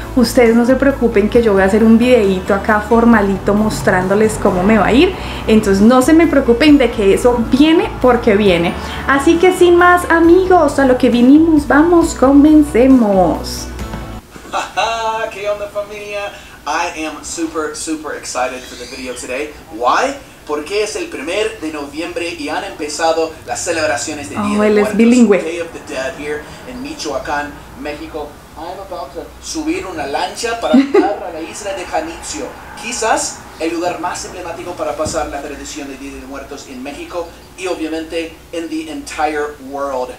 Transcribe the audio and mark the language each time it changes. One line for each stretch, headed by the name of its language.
Spanish: Ustedes no se preocupen que yo voy a hacer un videito acá formalito mostrándoles cómo me va a ir. Entonces no se me preocupen de que eso viene porque viene. Así que sin más, amigos, a lo que vinimos, vamos, comencemos. ¿Qué onda, familia?
English: I am super, super excited for the video today. Why?
Spanish: Porque es el 1 de noviembre y han empezado las celebraciones de Día de Muertos. Él es bilingüe.
English: Day of the Dead here in Michoacán, México. I'm about to
Spanish: subir una lancha para llegar a la isla de Janitzio. Quizás el lugar más emblemático para pasar la tradición de Día de Muertos en México y obviamente en
English: the entire world.